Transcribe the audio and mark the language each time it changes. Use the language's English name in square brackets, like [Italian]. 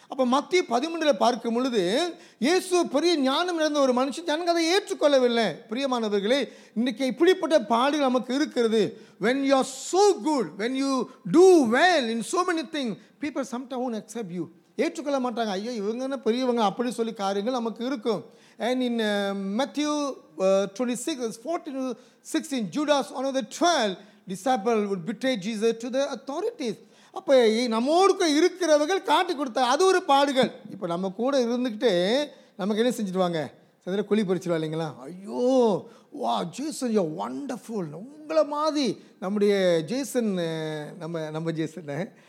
[Tamil] அப்போ மத்தேயு 13 பார்க்கும் பொழுது இயேசு பெரிய ஞானம் இருந்த ஒரு மனுஷன், ஜனங்க அதை ஏற்றுக்கொள்ளவில்லை. பிரியமானவர்களே, இன்றைக்கு இப்படிப்பட்ட பாடுகள் நமக்கு இருக்கிறது. [English] when you are so good, when you do well in so many thing, people sometime won't accept you, [Tamil] ஏற்றுக்கொள்ள மாட்டாங்க, ஐயோ இவங்க என்ன பெரியவங்க அப்படி சொல்லி காரியங்கள் நமக்கு இருக்கும். [English] And in Matthew 26:14-16, Judas, one of the 12 disciples, would betray Jesus to the authorities. [Tamil] அப்ப நம்மோடு இருக்கிறவர்கள் காட்டி கொடுத்தா அது ஒரு பாடுகள். இப்ப நம்ம கூட இருந்துகிட்டே நமக்கு என்ன செஞ்சிடுவாங்க, சதுர குழி பறிச்சிருவா இல்லைங்களா, ஐயோ வா ஜேசன் யோ வண்டர்ஃபுல், உங்களை மாதிரி நம்முடைய ஜேசன், நம்ம ஜேசன்